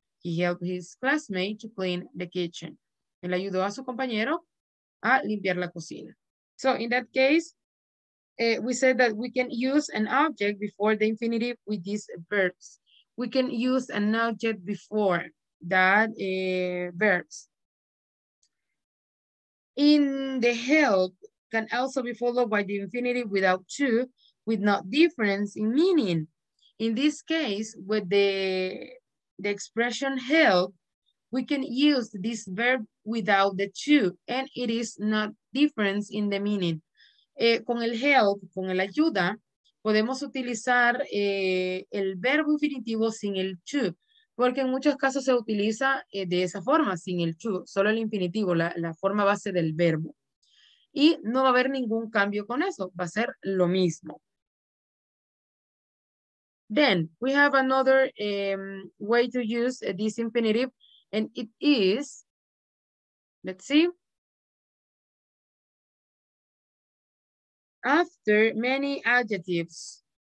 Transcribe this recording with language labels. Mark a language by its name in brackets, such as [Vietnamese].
[English] He helped his classmate to clean the kitchen. [Spanish] Él ayudó a su compañero a limpiar la cocina. [English] So in that case, we said that we can use an object before the infinitive with these verbs. We can use an object before that verbs. In the help can also be followed by the infinitive without to, with no difference in meaning. In this case, with the expression help, we can use this verb without the to, and it is not difference in the meaning. [Spanish] Con el help, con el ayuda, podemos utilizar el verbo infinitivo sin el to, porque en muchos casos se utiliza de esa forma, sin el to, solo el infinitivo, la forma base del verbo. Y no va a haber ningún cambio con eso, va a ser lo mismo. [English] Then, we have another way to use this infinitive, and it is, let's see, after many adjectives.